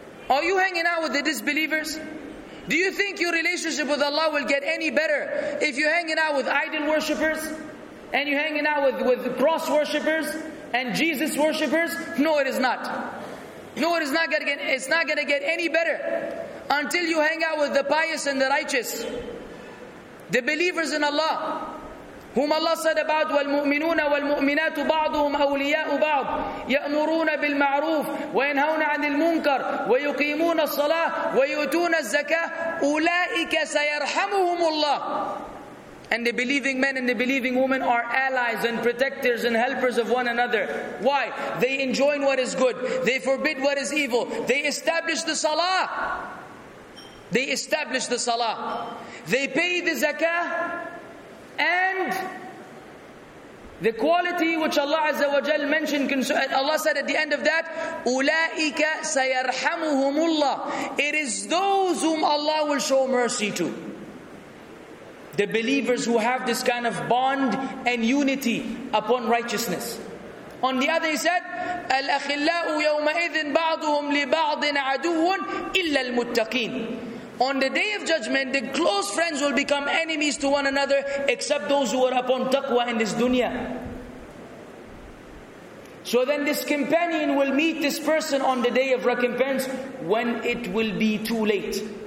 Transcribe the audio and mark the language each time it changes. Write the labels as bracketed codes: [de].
[en] Are you hanging out with the disbelievers? Do you think your relationship with Allah will get any better if you're hanging out with idol worshippers and you're hanging out with cross worshippers and Jesus worshippers? No, it is not. No, it is not going to get, it's not going to get any better until you hang out with the pious and the righteous, the believers in Allah. Whom Allah said about [ar] وَالْمُؤْمِنُونَ وَالْمُؤْمِنَاتُ بَعْضُهُمْ أَوْلِيَاءُ بَعْضٍ يَأْمُرُونَ بِالْمَعْرُوفِ وَيَنْهَوْنَ عَنِ الْمُنْكَرِ وَيُقِيمُونَ الصَّلَاةَ وَيُؤْتُونَ الزَّكَاةَ أُولَٰئِكَ سَيَرْحَمُهُمُ اللَّهُ. [en] And the believing men and the believing women are allies and protectors and helpers of one another. Why? They enjoin what is good. They forbid what is evil. They establish the salah. They establish the salah. They pay the zakah. And the quality which Allah Azza wa Jal mentioned, Allah said at the end of that, [ar] أُولَٰئِكَ سَيَرْحَمُهُمُ اللَّهُ. [en] It is those whom Allah will show mercy to. The believers who have this kind of bond and unity upon righteousness. On the other he said, [ar] أَلْأَخِلَّاءُ يَوْمَئِذٍ بَعْضُهُمْ لِبَعْضٍ عَدُوٌ إِلَّا الْمُتَّقِينَ. [en] On the day of judgment, the close friends will become enemies to one another except those who are upon taqwa in this dunya. So then this companion will meet this person on the day of recompense when it will be too late.